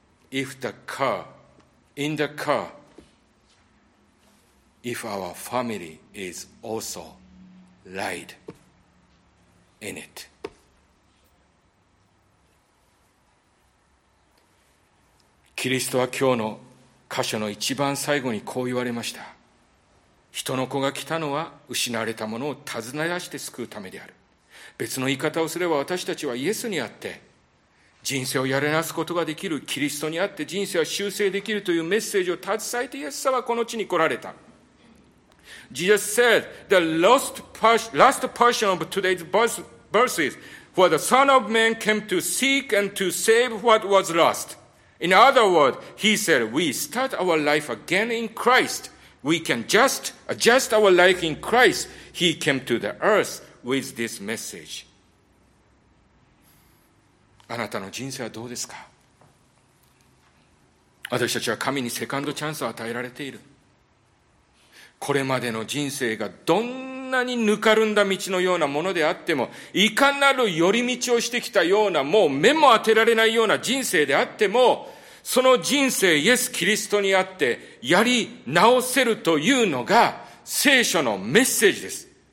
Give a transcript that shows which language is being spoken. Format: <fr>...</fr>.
<en>If our family is also light in it.</en> <ja>キリストは今日の箇所の一番最後にこう言われました。人の子が来たのは失われたものを尋ね出して救うためである。別の言い方をすれば、私たちはイエスにあって人生をやり直すことができる、キリストにあって人生は修正できるというメッセージを携えてイエス様はこの地に来られた。</ja> <en>Jesus said, the last portion of today's verses, for the Son of Man came to seek and to save what was lost. In other words, he said, we start our life again in Christ. We can just adjust our life in Christ. He came to the earth with this message.</en> <ja>あなたの人生はどうですか？私たちは神にセカンドチャンスを与えられている。これまでの人生がどんなにぬかるんだ道のようなものであっても、いかなる寄り道をしてきたような、もう目も当てられないような人生であっても、その人生イエス・キリストにあってやり直せるというのが聖書のメッセージです。</ja>